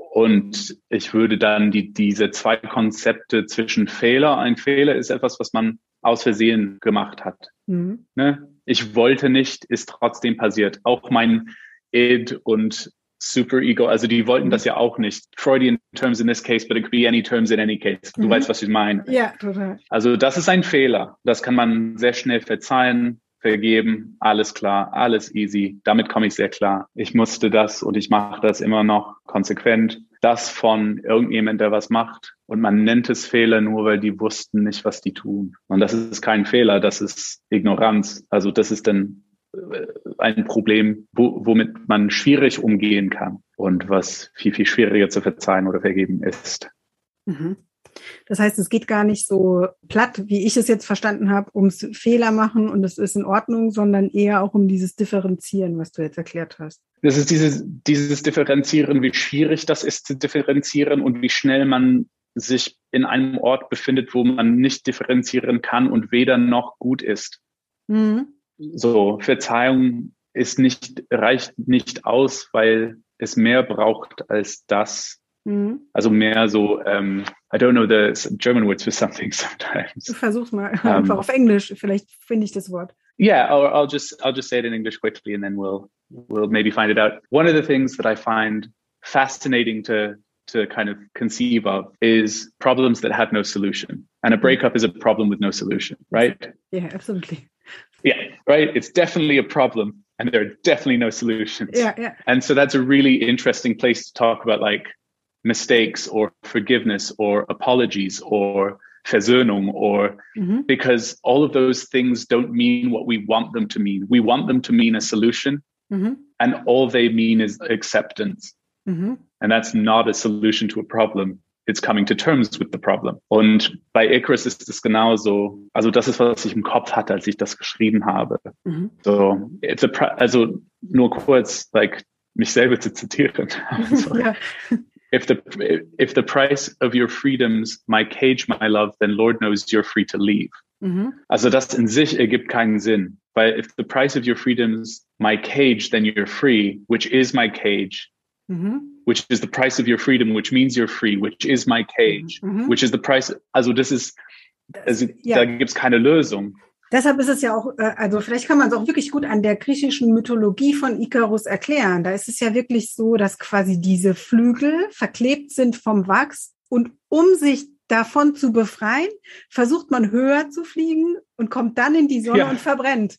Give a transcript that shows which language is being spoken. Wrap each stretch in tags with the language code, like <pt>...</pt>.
<de>Und ich würde dann diese zwei Konzepte zwischen Fehler, ein Fehler ist etwas, was man aus Versehen gemacht hat. Mhm. Ne? Ich wollte nicht, ist trotzdem passiert. Auch mein Id und Superego, also die wollten das ja auch nicht.</de> <en>Freudian terms in this case, but it could be any terms in any case.</en> <de>Du weißt, was ich meine. Ja, total. Also das ist ein Fehler. Das kann man sehr schnell verzeihen, vergeben, alles klar, alles easy. Damit komme ich sehr klar. Ich musste das und ich mache das immer noch konsequent. Das von irgendjemand, der was macht. Und man nennt es Fehler nur, weil die wussten nicht, was die tun. Und das ist kein Fehler, das ist Ignoranz. Also das ist dann ein Problem, womit man schwierig umgehen kann und was viel, viel schwieriger zu verzeihen oder vergeben ist. Mhm. Das heißt, es geht gar nicht so platt, wie ich es jetzt verstanden habe, ums Fehler machen und es ist in Ordnung, sondern eher auch um dieses Differenzieren, was du jetzt erklärt hast. Das ist dieses Differenzieren, wie schwierig das ist zu differenzieren und wie schnell man sich in einem Ort befindet, wo man nicht differenzieren kann und weder noch gut ist. Mhm. So, Verzeihung reicht nicht aus, weil es mehr braucht als das. Mhm. Also mehr so,</de> <en>I don't know the German words for something sometimes.</en> <de>Du versuch's mal einfach auf Englisch, vielleicht finde ich das Wort.</de> <en>Yeah, or I'll just say it in English quickly and then we'll maybe find it out. One of the things that I find fascinating to kind of conceive of is problems that have no solution. And a breakup is a problem with no solution, right? Yeah, absolutely. Yeah, right. It's definitely a problem and there are definitely no solutions. Yeah, yeah. And so that's a really interesting place to talk about like mistakes or forgiveness or apologies or Versöhnung or because all of those things don't mean what we want them to mean. We want them to mean a solution and all they mean is acceptance. Mm-hmm. And that's not a solution to a problem. It's coming to terms with the problem.</en> <de>Und bei Icarus ist es genauso. Also das ist, was ich im Kopf hatte, als ich das geschrieben habe. Mhm. So, also nur kurz, like mich selber zu zitieren. Sorry. Ja.</de> <en>If the price of your freedom's my cage, my love, then Lord knows you're free to leave. Mhm.</en> <de>Also das in sich ergibt keinen Sinn, weil</de> <en>if the price of your freedom's my cage, then you're free, which is my cage. Mhm. Which is the price of your freedom, which means you're free, which is my cage.</en> <de>Mhm.</de> <en>Which is the price.</en> <de>Also das ist, also ja. Da gibt's keine Lösung. Deshalb ist es ja auch, also vielleicht kann man es auch wirklich gut an der griechischen Mythologie von Ikarus erklären. Da ist es ja wirklich so, dass quasi diese Flügel verklebt sind vom Wachs und um sich davon zu befreien, versucht man höher zu fliegen und kommt dann in die Sonne ja. Und verbrennt.</de>